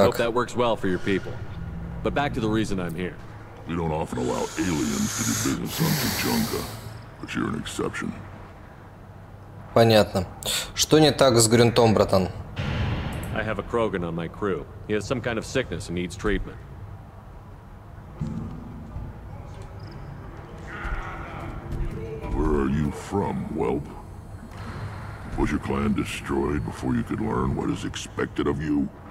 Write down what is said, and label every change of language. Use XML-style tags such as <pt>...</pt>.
<en>I hope that works well for your people. But back to the reason I'm here. We don't often allow aliens to do business on Tijunga, but you're an exception.</en> <ru>Понятно. Что не так с Грюнтом, братан?</ru> <en>I have a Krogan on my crew. He has some kind of sickness and needs treatment. Where are you from, whelp? Was your clan destroyed before you could learn what is expected of you?</en>